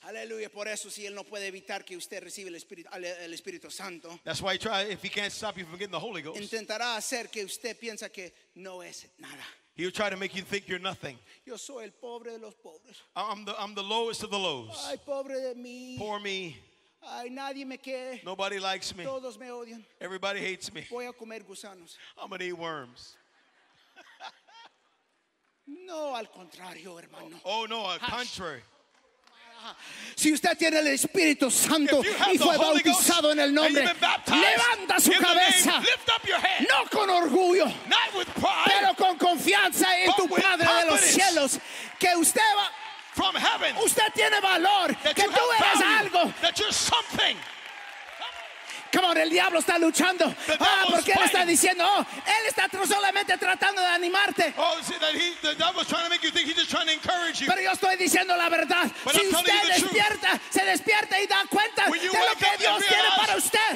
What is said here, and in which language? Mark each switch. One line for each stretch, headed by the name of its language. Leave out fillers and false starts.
Spanish: Aleluya, por eso si él no puede evitar que usted reciba el Espíritu Santo.
English: That's why he tries, if he can't stop you from getting the Holy Ghost.
Spanish: Intentará hacer que usted piensa que no es nada.
English: He'll try to make you think you're nothing.
Spanish: Yo soy el pobre de los pobres.
English: I'm the lowest of the lows.
Spanish: Ay, pobre de mí.
English: Poor me.
Spanish: Ay, nadie me quiere.
English: Nobody likes me.
Spanish: Todos me odian.
English: Everybody hates me.
Spanish: Voy a comer gusanos.
English: I'm gonna eat worms.
Spanish: No, al contrario, hermano. Oh, no, al contrario. Si usted tiene el Espíritu Santo y fue bautizado en el nombre, levanta su cabeza. No con orgullo, pero con confianza en tu Padre de los cielos, que usted va.
English: From heaven,
Spanish: usted tiene valor, que tú eres algo.
English: That you're something. Come on,
Spanish: el diablo está luchando.
English: The
Spanish: ah, porque
English: fighting.
Spanish: Él está diciendo, oh, él está solamente tratando de animarte.
English: Oh, see, that he, the devil's trying to make you think he's just trying to encourage you.
Spanish: Pero yo estoy diciendo la verdad.
English: But
Spanish: si
English: I'm
Spanish: usted despierta,
English: truth.
Spanish: Se despierta y da cuenta de lo que Dios tiene para usted.